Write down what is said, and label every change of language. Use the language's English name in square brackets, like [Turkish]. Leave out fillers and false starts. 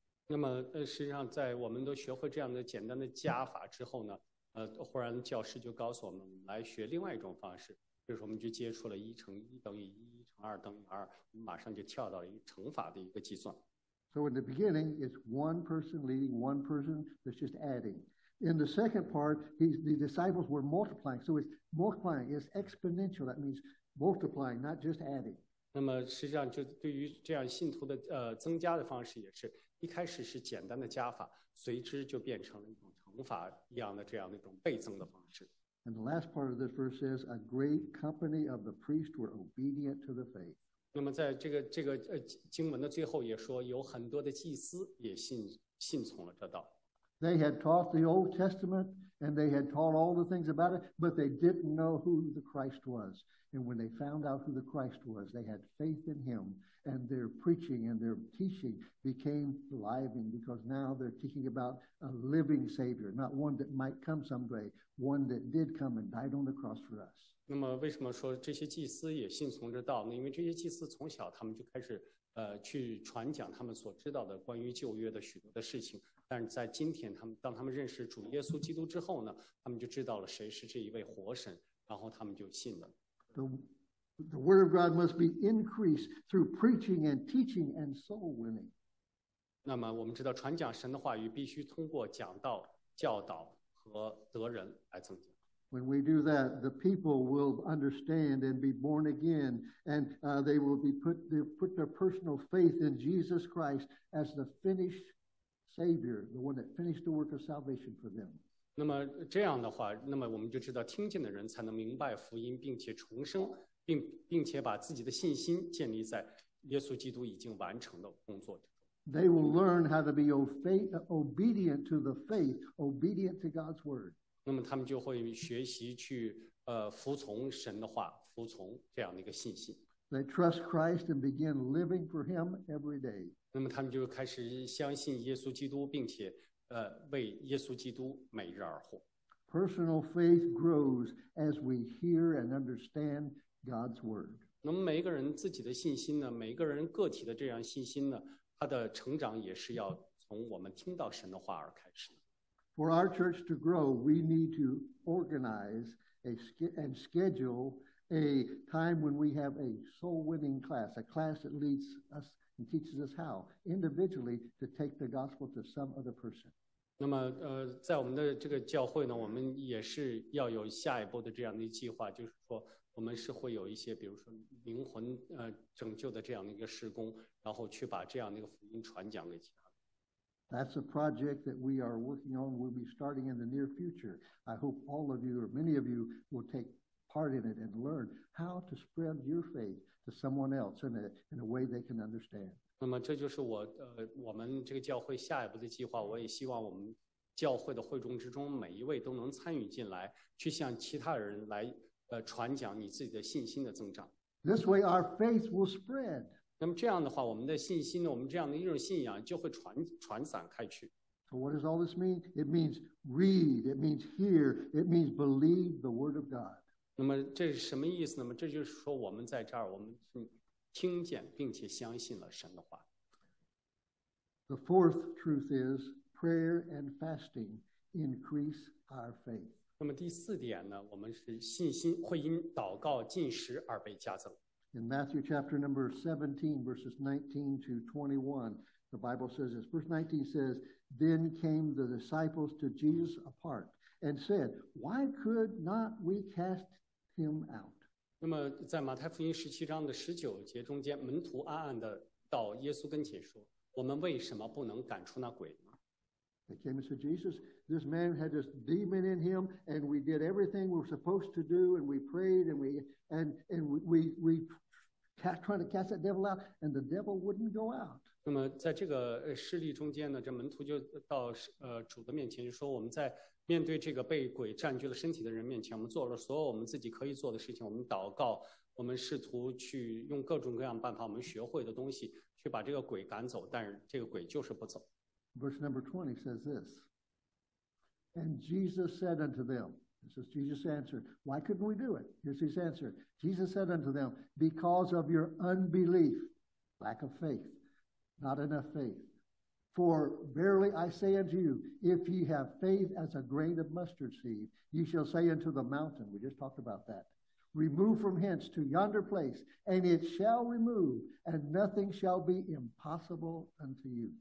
[Chinese] 那么实际上在我们都学会这样的简单的加法之后呢，忽然教师就告诉我们来学另外一种方式，就是我们就接触了1 × 1 = 1, 2 × 2 = 2，马上就跳到了一个乘法的一个计算。 [English] So in the beginning, it's one person leading one person that's just adding. In the second part, the disciples were multiplying. So it's multiplying. It's exponential. That means. Multiplying, not just adding. [Chinese] 那么实际上就对于这样信徒的增加的方式也是一开始是简单的加法，随之就变成了一种乘法一样的这样的一种倍增的方式。 [English] And the last part of this verse says, a great company of the priests were obedient to the faith. [Chinese] 那么在这个经文的最后也说，有很多的祭司也信从了这道。 [English] They had taught the Old Testament And they had taught all the things about it, but they didn't know who the Christ was. And when they found out who the Christ was, they had faith in him. And their preaching and their teaching became thriving, because now they're teaching about a living Savior, not one that might come someday, one that did come and died on the cross for us. [Chinese] 那么为什么说这些祭司也信从这道呢？因为这些祭司从小他们就开始去传讲他们所知道的关于旧约的许多的事情，但是在今天他们当他们认识主耶稣基督之后呢，他们就知道了谁是这一位活神，然后他们就信了。 [English] The word of God must be increased through preaching and teaching and soul winning. [Chinese] 那么我们知道传讲神的话语必须通过讲道、教导和得人来增加。 [English] When we do that, the people will understand and be born again, and they will be put their personal faith in Jesus Christ as the finished Savior, the one that finished the work of salvation for them. [Chinese] 那么这样的话，那么我们就知道，听见的人才能明白福音，并且重生，并且把自己的信心建立在耶稣基督已经完成的工作中。 [English] They will learn how to be obedient to the faith, obedient to God's word. [Chinese] 那么他们就会学习去服从神的话，服从这样的一个信心。 [English] They trust Christ and begin living for Him every day. [Chinese] 那么他们就开始相信耶稣基督，并且为耶稣基督每日而活。 [English] Personal faith grows as we hear and understand God's word. [Chinese] 那么每一个人自己的信心呢，每一个人个体的这样信心呢，他的成长也是要从我们听到神的话而开始。 [English] For our church to grow, we need to organize and schedule a time when we have a soul-winning class, a class that leads us and teaches us how individually to take the gospel to some other person. [Chinese] 那么，在我们的这个教会呢，我们也是要有下一步的这样的计划，就是说，我们是会有一些，比如说灵魂拯救的这样的一个事工，然后去把这样的一个福音传讲给其他。 [English] That's a project that we are working on. We'll be starting in the near future. I hope all of you or many of you will take part in it and learn how to spread your faith to someone else in a way they can understand. [Chinese] 那么这就是我们这个教会下一步的计划。我也希望我们教会的会众之中每一位都能参与进来，去向其他人来传讲你自己的信心的增长。 [English] This way our faith will spread. [Chinese] 那么这样的话，我们的信心呢，我们这样的一种信仰就会传散开去。 [English] So what does all this mean? It means read, it means hear, it means believe the word of God. [Chinese] 那么这是什么意思呢？那么这就是说，我们在这儿，我们听见并且相信了神的话。 [English] The fourth truth is prayer and fasting increase our faith. [Chinese] 那么第四点呢，我们是信心会因祷告进食而被加增。 [English] In Matthew chapter number 17, verses 19 to 21, the Bible says this. Verse 19 says, Then came the disciples to Jesus apart and said, Why could not we cast him out? [Chinese] 那么在马太福音17章的19节中间，门徒暗暗地到耶稣跟前说，我们为什么不能赶出那鬼呢？ [English] They came and said, Jesus, this man had this demon in him, and we did everything we were supposed to do, and we prayed, and we tried to cast that devil out, and the devil wouldn't go out. [Chinese] 那么在这个事例中间呢，这门徒就到主的面前，就说我们在面对这个被鬼占据了身体的人面前，我们做了所有我们自己可以做的事情，我们祷告，我们试图去用各种各样办法，我们学会的东西去把这个鬼赶走，但是这个鬼就是不走。 [English] Verse number 20 says this. And Jesus said unto them, this is Jesus' answer. Why couldn't we do it? Here's his answer. Jesus said unto them, because of your unbelief, lack of faith, not enough faith. For verily I say unto you, if ye have faith as a grain of mustard seed, ye shall say unto the mountain, we just talked about that, remove from hence to yonder place, and it shall remove, and nothing shall be impossible unto you.